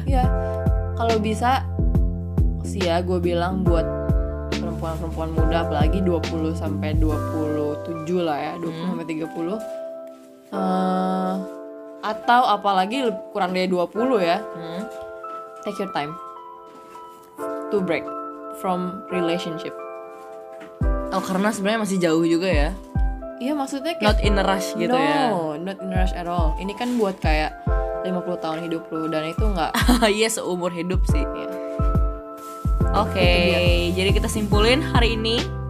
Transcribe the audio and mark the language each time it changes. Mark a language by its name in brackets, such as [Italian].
[Indonesian] Iya. Kalau bisa sih ya gue bilang buat perempuan-perempuan muda apalagi 20 sampai 27 lah ya, 20 sampai 30. Atau apalagi kurang dari 20 ya. [English] Take your time to break from relationship. [Indonesian] Oh, karena sebenarnya masih jauh juga ya. Iya, maksudnya kayak [English] not in a rush gitu no, [Indonesian] ya. [English] No, not in a rush at all. [Indonesian] Ini kan buat kayak 50 tahun hidup lu dan itu enggak iya seumur hidup sih. Iya. Oke, okay, jadi kita simpulin hari ini.